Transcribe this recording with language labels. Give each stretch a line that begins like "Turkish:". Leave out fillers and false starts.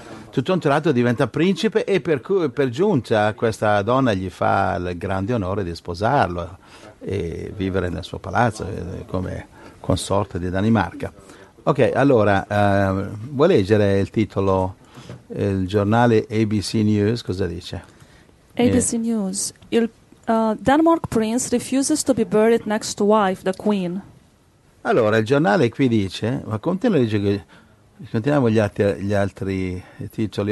Italian: Tutto un tratto diventa principe e per giunta questa donna gli fa il grande onore di sposarlo e vivere nel suo palazzo come consorte di Danimarca. Ok, allora, vuoi leggere il titolo, il giornale ABC News, cosa dice?
English: ABC News, il Denmark Prince refuses to be buried next to wife, the Queen.
Italian: Allora, il giornale qui dice, ma continua a dire che... Continuiamo gli altri titoli.